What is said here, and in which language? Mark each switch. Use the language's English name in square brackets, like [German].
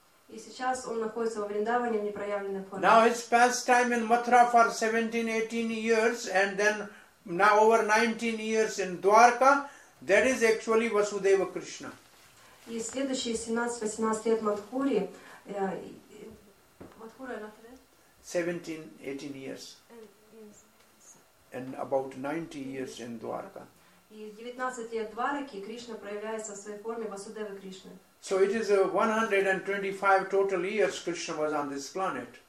[Russian] И сейчас он находится во Вриндаване в непроявленной форме. [English] Now he spends time in Mathura for 17-18 years and then now over 19 years in Dwarka. That is actually Vasudeva Krishna. [Russian] И следующие 17-18 лет в Матхуре. [English] 17-18 years. And about 90 years in Dwarka. [Russian] И 19 лет в Двараке Кришна проявляется в своей форме Васудевы Кришны. [English] So it is 125 total years Krishna was on this planet.